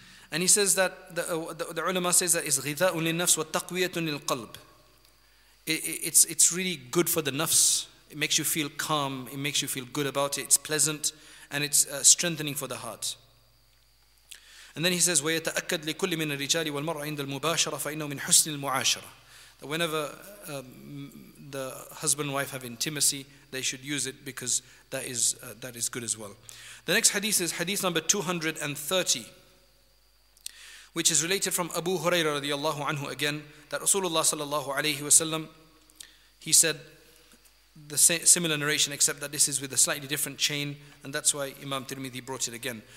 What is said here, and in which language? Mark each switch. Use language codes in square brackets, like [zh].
[en] And he says that the ulama says that it's [ar] ghidha'un lin-nafs wa taqwiyatun lil-qalb. [en] It's really good for the nafs. It makes you feel calm. It makes you feel good about it. It's pleasant, and it's strengthening for the heart. And then he says, [ar] وَيَتَأَكَّدْ لِكُلِّ مِنَ الرِّجَالِ وَالْمَرْءِ عِنْدَ الْمُبَاشَرَةِ فَإِنَّهُ مِنْ حُسْنِ الْمُعَاشَرَةِ. [en] That whenever the husband and wife have intimacy, they should use it, because that is good as well. The next hadith is hadith number 230, which is related from Abu Hurairah radiallahu anhu again, that Rasulullah sallallahu alayhi wa sallam, he said the similar narration, except that this is with a slightly different chain, and that's why Imam Tirmidhi brought it again.